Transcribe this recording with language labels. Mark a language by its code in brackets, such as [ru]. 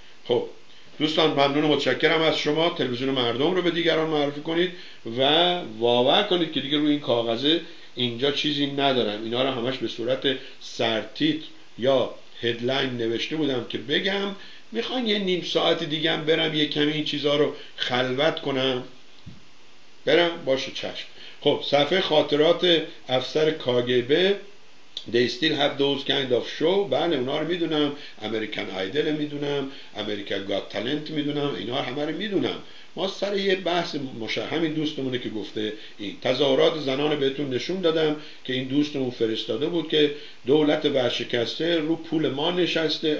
[fa] خب دوستان ممنون و متشکرم از شما. تلویزیون مردم رو به دیگران معرفی کنید و باور کنید که دیگه روی این کاغذه اینجا چیزی ندارم، اینا رو همش به صورت سرتیت یا هدلاین نوشته بودم که بگم. میخوان یه نیم ساعت دیگه هم برم یه کمی این چیزها رو خلوت کنم، برم باشه چشم. خب صفحه خاطرات افسر کاگبه، [en] They still have those kind of show. [fa] بله اونا رو میدونم، امریکن آیدل میدونم، امریکا گات تالنت میدونم، اینا همه رو میدونم. ما سر یه بحث مشهر همین دوستمونه که گفته این تظاهرات زنان بهتون نشون دادم که این دوستمون فرستاده بود که دولت ورشکسته رو پول ما نشسته.